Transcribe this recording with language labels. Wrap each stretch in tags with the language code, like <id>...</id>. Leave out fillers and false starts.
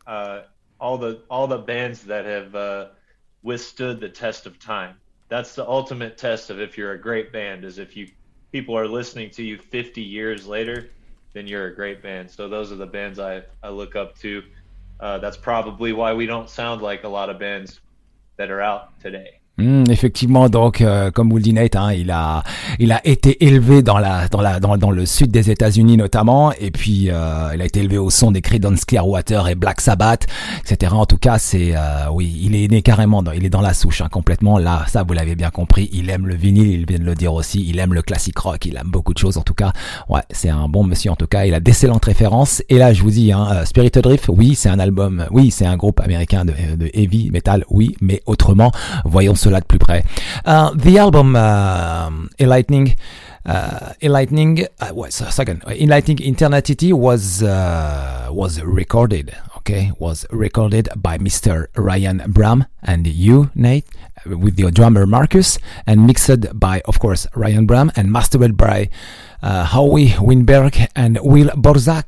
<en>All the bands that have withstood the test of time. That's the ultimate test of if you're a great band, is if people are listening to you 50 years later, then you're a great band. So those are the bands I look up to. That's probably why we don't sound like a lot of bands that are out today.</en> <fr>Effectivement, donc comme vous le dites, Nate, hein, il a été élevé dans le sud des États-Unis notamment, et puis il a été élevé au son des Creedence Clearwater et Black Sabbath, etc. En tout cas, c'est oui, il est né carrément, il est dans la souche, hein, complètement. Là, ça vous l'avez bien compris, il aime le vinyle, il vient de le dire aussi, il aime le classic rock, il aime beaucoup de choses. En tout cas, ouais, c'est un bon monsieur. En tout cas, il a d'excellentes références. Et là, je vous dis, hein, Spirit Adrift, oui, c'est un album, oui, c'est un groupe américain de heavy metal, oui, mais autrement, voyons cela de plus près.</fr> <en>The album Enlightening in Eternity was recorded by Mr. Ryan Bram and you, Nate, with your drummer Marcus, and mixed by, of course, Ryan Bram, and mastered by Howie Winberg and Will Borza.</en>